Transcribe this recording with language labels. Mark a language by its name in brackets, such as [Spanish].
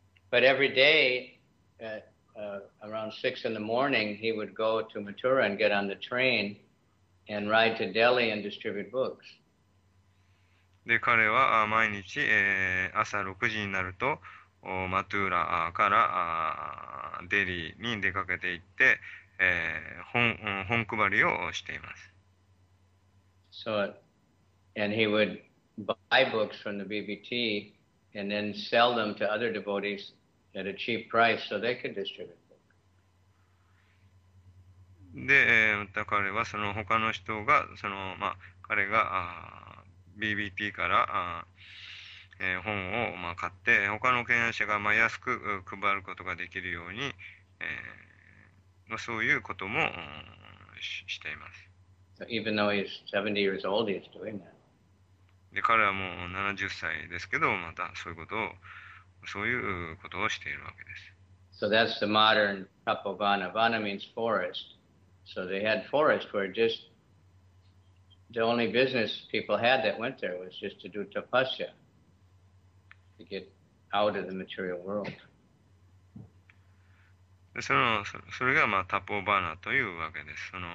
[English] But every day, around 6 in the morning, he would go to Mathura and get on the train. And ride to Delhi and distribute books. [Japanese] で、彼は毎日、朝6時になるとマトゥーラからデリーに出かけて行って、本配りをしています。 [English] So, and he would buy books from the BBT and then sell them to other devotees at a cheap price so they could distribute. [Japanese] で、また彼はその他の人がその、まあ、彼が BBT から本を、まあ、買って他の権威者が、まあ、安く配ることができるように、まあ、そういうことも、しています。 [English] So even though he's 70 years old, he's doing that. [Japanese] で、彼はもう70歳ですけど、またそういうことをしているわけです。 [English] So that's the modern Tapovana. Vana means forest. So they had forest where just the only business people had that went there was just to do tapasya, to get out of the material world. [Japanese] で、それが、まあ、タポバナというわけです。